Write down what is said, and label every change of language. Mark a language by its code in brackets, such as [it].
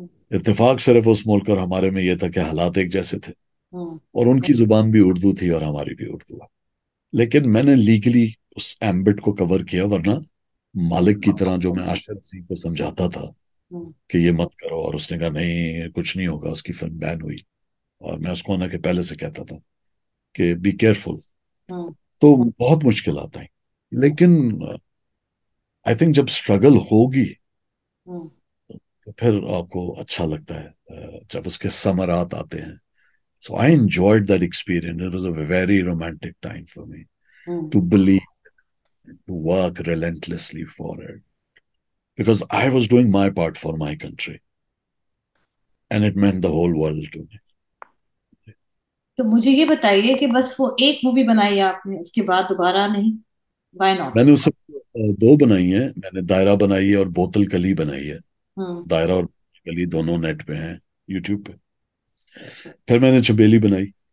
[ur] اتفاق صرف اس ملک اور ہمارے میں یہ تھا کہ حالات ایک جیسے تھے, اور ان کی زبان بھی اردو تھی اور ہماری بھی اردو, لیکن میں نے لیگلی اس ایمبٹ کو کور کیا, ورنہ مالک کی طرح جو میں آشر سنگھ کو سمجھاتا تھا کہ یہ مت کرو, اور اس نے کہا نہیں کچھ نہیں ہوگا, اس کی فلم بین ہوئی, اور میں اس کو نہ کہ پہلے سے کہتا تھا کہ [en] Be careful. [ur] تو بہت مشکل آتا ہے, لیکن [en] I think [ur] جب اسٹرگل ہوگی پھر آپ کو اچھا لگتا ہے جب اس کے سمرات آتے ہیں. [en] So I enjoyed that experience. It was a very romantic time for me to believe, to work relentlessly for it. Because I was doing my part for my country. And it meant the whole world to me. [ur] تو مجھے یہ بتائیے کہ بس وہ ایک movie بنائی آپ نے, اس کے بعد دوبارہ نہیں, [en] why not? [ur] میں نے اسے دو بنائی ہیں, میں نے دائرہ بنائی ہے اور بوتل گلی بنائی ہے. دائرہ اور بوتل گلی دونوں نیٹ پہ ہیں, یوٹیوب پہ. پھر میں نے چبیلی بنائی.